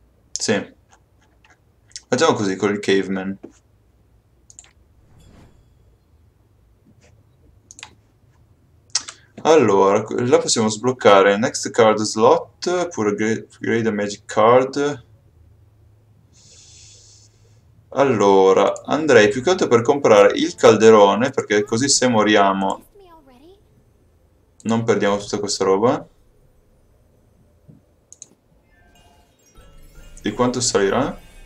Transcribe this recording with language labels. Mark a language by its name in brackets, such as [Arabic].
[Italian] Sì. Facciamo così con il caveman. Allora, la possiamo sbloccare. [English] Next card slot, pure grade a magic card. [Italian] Allora, andrei più che altro per comprare il calderone, perché così se moriamo non perdiamo tutta questa roba. Di quanto salirà?